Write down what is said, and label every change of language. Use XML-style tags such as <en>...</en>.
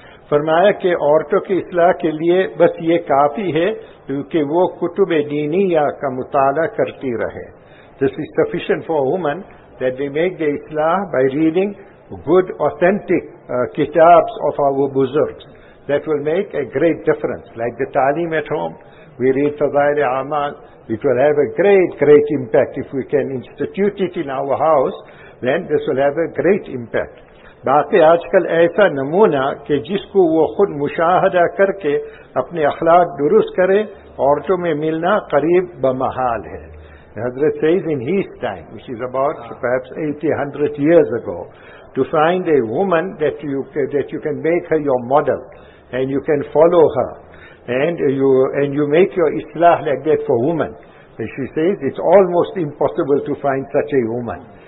<ur>فرمایا کہ عورتوں کی اصلاح کے لیے بس یہ کافی ہے کہ وہ کتب دینیہ کا مطالعہ کرتی رہے.</ur> <en>This is sufficient for a woman that they make the islah by reading good authentic kitabs of our buzurgs. That will make a great difference. Like the talim at home, we read fadail amal, it will have a great impact. If we can institute it in our house, then this will have a great impact.</en> <ur>باقی آج کل ایسا نمونہ کہ جس کو وہ خود مشاہدہ کر کے اپنے اخلاق درست کرے, عورتوں میں ملنا قریب بمحال ہے.</ur> <en>حضرت says in his time, which is about perhaps 800 years ago, to find a woman that you can make her your model and you can follow her and you make your islah like that for woman. And she says it's almost impossible to find such a woman.</en>